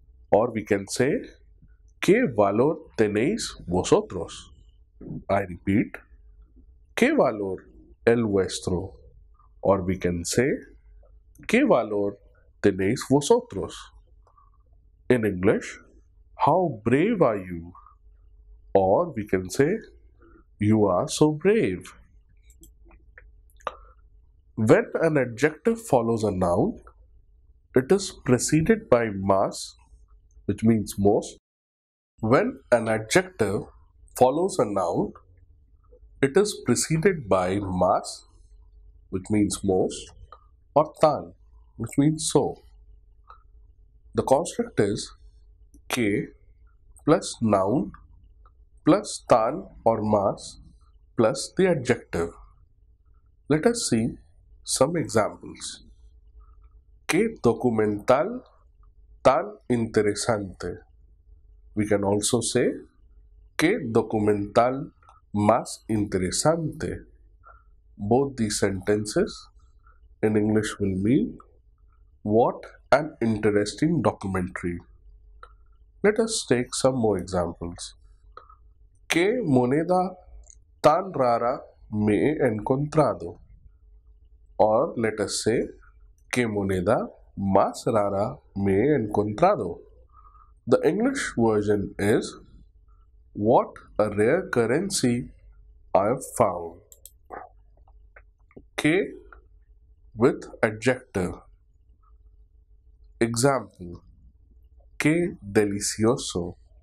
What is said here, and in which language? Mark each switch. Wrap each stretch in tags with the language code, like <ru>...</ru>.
<en>Or we can say,</en> <es>¿qué valor tenéis vosotros?</es> <en>I repeat,</en> <es>¿qué valor el vuestro?</es> <en>Or we can say,</en> <es>¿qué valor tenéis vosotros?</es> <en>In English, how brave are you? Or we can say, you are so brave. When an adjective follows a noun, it is preceded by más, which means most. When an adjective follows a noun, it is preceded by más, which means most, or tan, which means so. The construct is que plus noun plus tan or más plus the adjective. Let us see some examples.</en> <es>¿Qué documental tan interesante?</es> <en>We can also say,</en> <es>¿qué documental más interesante?</es> <en>Both these sentences in English will mean, what an interesting documentary. Let us take some more examples.</en> <es>¿Qué moneda tan rara me he encontrado?</es> <en>Or let us say,</en> <es>¿qué moneda más rara me he encontrado?</es> <en>The English version is, what a rare currency I have found. Que with adjective. Example,</en> <es>que delicioso.</es>